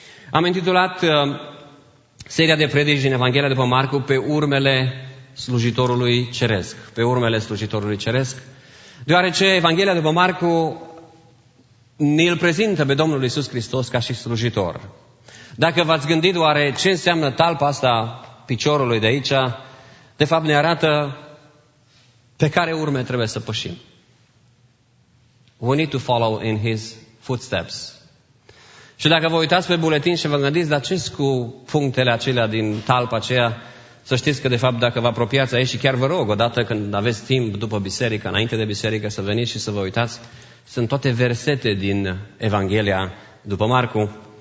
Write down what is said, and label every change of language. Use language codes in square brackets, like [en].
[ro] Am intitulat seria de predici din Evanghelia după Marcu pe urmele slujitorului ceresc, pe urmele slujitorului ceresc, deoarece Evanghelia după Marcu ne-l prezintă pe Domnul Iisus Hristos ca și slujitor. Dacă v-ați gândit oare ce înseamnă talpa asta piciorului de aici, de fapt ne arată pe care urme trebuie să pășim. [en] We need to follow in his footsteps. [ro] Și dacă vă uitați pe buletin și vă gândiți, dar ce-s cu punctele acelea din talpa aceea, să știți că, de fapt, dacă vă apropiați aici, și chiar vă rog, odată când aveți timp după biserică, înainte de biserică, să veniți și să vă uitați, sunt toate versete din Evanghelia după Marcu.